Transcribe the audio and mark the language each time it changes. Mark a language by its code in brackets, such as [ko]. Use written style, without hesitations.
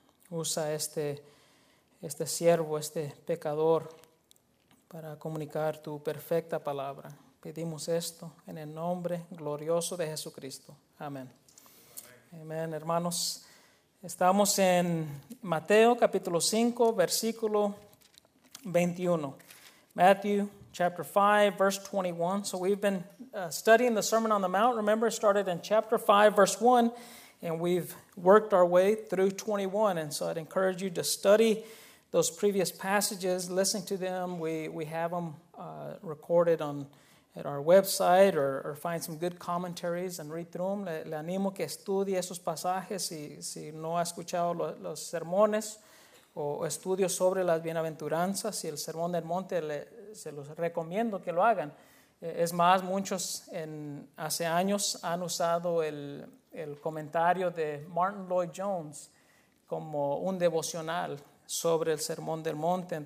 [es] Usa este siervo, este pecador, para comunicar tu perfecta palabra. Pedimos esto en el nombre glorioso de Jesucristo. Amén. Amén, hermanos. Estamos en Mateo capítulo 5, versículo 21. [en] Matthew chapter 5, verse 21. So we've been studying the Sermon on the Mount. Remember, it started in chapter 5, verse 1, and we've worked our way through 21. And so I'd encourage you to study those previous passages, listen to them. We have them recorded at our website, or find some good commentaries and read through them. [es] Le animo que estudie esos pasajes si no ha escuchado los sermones o estudios sobre las bienaventuranzas. Y el Sermón del Monte, se los recomiendo que lo hagan. Es más, muchos hace años han usado el comentario de Martin Lloyd-Jones como un devocional sobre el Sermón del Monte.